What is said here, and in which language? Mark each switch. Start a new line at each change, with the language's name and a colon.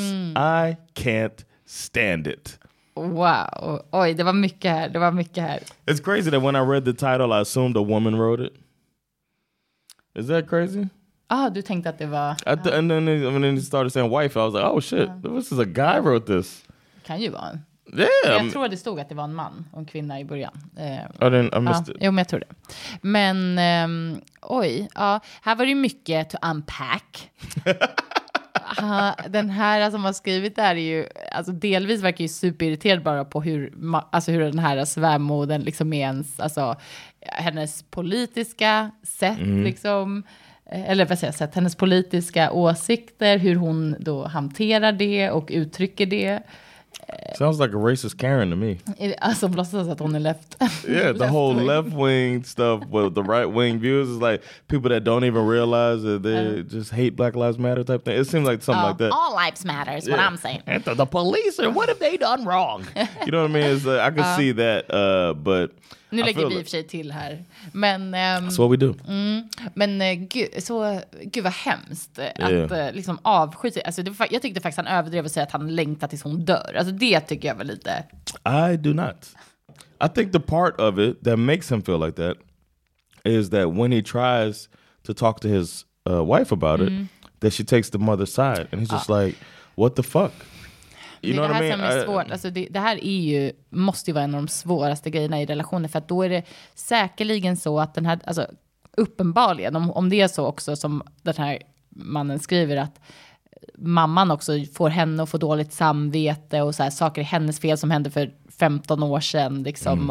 English: Mm. I can't stand it.
Swedish: Wow. Oj, det var mycket här. Det var mycket här.
English: It's crazy that when I read the title, I assumed a woman wrote it. Is that crazy?
Swedish: Ah, du tänkte att det var...
English: And then he started saying wife. I was like, oh shit, this is a guy wrote this.
Swedish: Kan ju vara.
English: Yeah.
Swedish: Jag tror att det stod att det var en man och en kvinna i början.
English: I missed it.
Swedish: Jo, men jag tror det. Men, oj. Ja, här var det mycket
English: to unpack.
Swedish: den här som alltså, har skrivit där är ju alltså delvis verkar ju superirriterad bara på hur alltså hur den här svärmoden liksom är ens alltså hennes politiska sätt liksom eller vad säger sätt hennes politiska åsikter hur hon då hanterar det och uttrycker det.
English: Sounds like a racist Karen to me.
Swedish: Alltså låtsas att hon är left.
English: Yeah, the whole left wing stuff with the right wing views is like people that don't even realize that they just hate Black Lives Matter type thing. It seems like something like that. All lives matter is what I'm saying. And the police, or what have they done wrong? You know what I mean? It's like, I could see that, but...
Swedish: Nu lägger vi i och för sig till här. Men,
English: that's what we do.
Swedish: Mm, men gud vad hemskt att liksom avskita. Alltså, jag tyckte faktiskt han överdrev och säger att han längtar tills hon dör. Alltså det tycker jag väl lite...
English: I do not. I think the part of it that makes him feel like that is that when he tries to talk to his wife about it, that she takes the mother's side. And he's just like, what the fuck? You know
Swedish: det här
English: what I mean?
Swedish: Som är svårt, alltså det här är ju, måste ju vara en av de svåraste grejerna i relationen, för att då är det säkerligen så att den här, alltså uppenbarligen, om det är så också som den här mannen skriver, att mamman också får henne att få dåligt samvete och så här, saker i hennes fel som hände för 15 år sedan liksom.